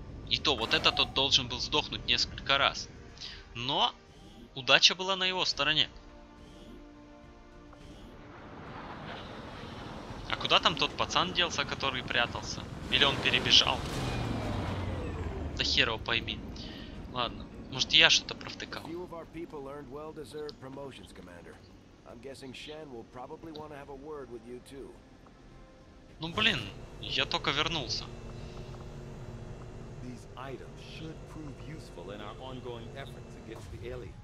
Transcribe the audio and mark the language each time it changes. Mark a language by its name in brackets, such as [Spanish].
[Russian] И то, вот этот тот должен был сдохнуть несколько раз. Но удача была на его стороне. куда там тот пацан делся, который прятался? Или он перебежал? Да хер его пойми. Ладно, может я что-то провтыкал. [English] Few of our people earned well-deserved promotions, Commander. I'm guessing Shen will probably want to have a word with you too. [Russian] Ну блин, я только вернулся. [English] These items should prove useful in our ongoing efforts against the aliens.